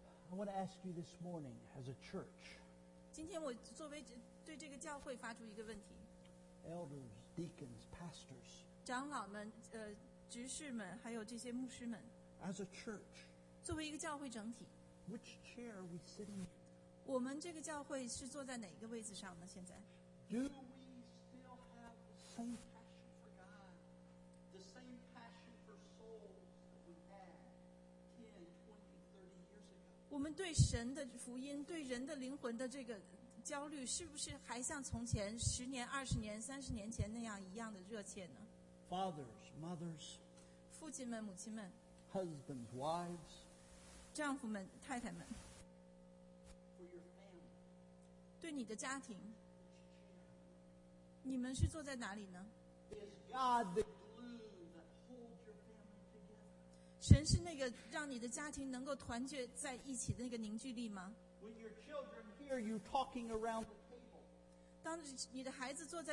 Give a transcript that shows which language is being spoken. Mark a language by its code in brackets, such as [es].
[en] I want to ask you this morning, as a church, [zh] 今天我作为对这个教会发出一个问题。 [en] Elders, deacons, pastors, [zh] 长老们，执事们, 还有这些牧师们, [en] as a church, [zh] 作为一个教会整体, [en] which chair are we sitting in? [zh] 我们这个教会是坐在哪一个位置上呢, 现在? [en] Do we still have the same passion for God, the same passion for souls that we had 10, 20, 30 years ago? [zh] 我们对神的福音, 对人的灵魂的这个 焦虑是不是还像从前十年、二十年、三十年前那样一样的热切呢？ [en] Fathers, mothers, [zh] 父亲们、母亲们, [en] husbands, wives, [zh] 丈夫们、太太们, [en] for your family, [zh] 对你的家庭, 你们是坐在哪里呢？ [en] Is God the glue that holds your family together? [zh] 神是那个让你的家庭能够团结在一起的那个凝聚力吗？ [en] When your children hear you talking around the table,